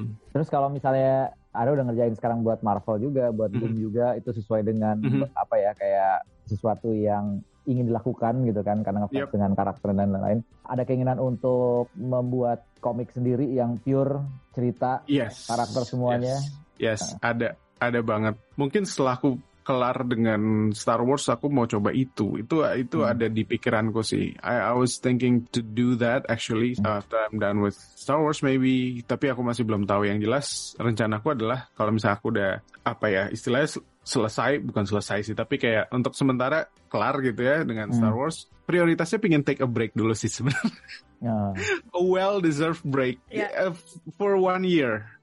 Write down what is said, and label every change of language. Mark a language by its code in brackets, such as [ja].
[id] Terus kalau misalnya Ari udah ngerjain sekarang buat Marvel juga, buat Doom juga, itu sesuai dengan apa ya, kayak sesuatu yang ingin dilakukan gitu kan, karena ngefans dengan karakter dan lain-lain. Ada keinginan untuk membuat komik sendiri yang pure cerita, karakter semuanya? Ada banget. Mungkin setelah aku kelar dengan Star Wars, aku mau coba itu. Itu ada di pikiranku sih. [en] I was thinking to do that actually after I'm done with Star Wars maybe. [id] Tapi aku masih belum tahu. Yang jelas rencanaku adalah kalau misalnya aku udah apa ya istilahnya selesai, bukan selesai sih, tapi kayak untuk sementara kelar gitu ya dengan Star Wars. Prioritasnya pingin [en] take a break [id] dulu sih sebenarnya. [en] A well deserved break for one year.